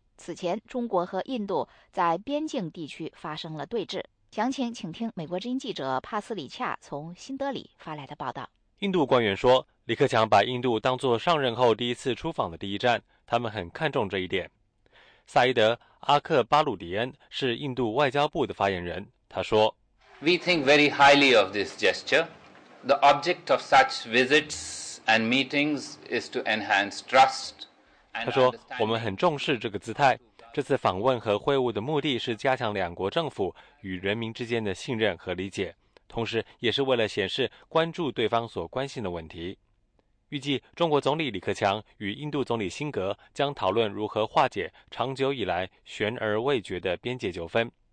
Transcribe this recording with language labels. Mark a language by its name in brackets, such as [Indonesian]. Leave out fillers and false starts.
[Chinese] 此前中国和印度在边境地区发生了对峙，详情请听美国之音记者帕斯里恰从新德里发来的报道。印度官员说，李克强把印度当作上任后第一次出访的第一站，他们很看重这一点。萨伊德·阿克巴鲁迪恩是印度外交部的发言人，他说， [English] We think very highly of this gesture. The object of such visits and meetings is to enhance trust. [Chinese] 他说，我们很重视这个姿态，这次访问和会晤的目的是加强两国政府与人民之间的信任和理解，同时也是为了显示关注对方所关心的问题。预计中国总理李克强与印度总理辛格将讨论如何化解长久以来悬而未决的边界纠纷。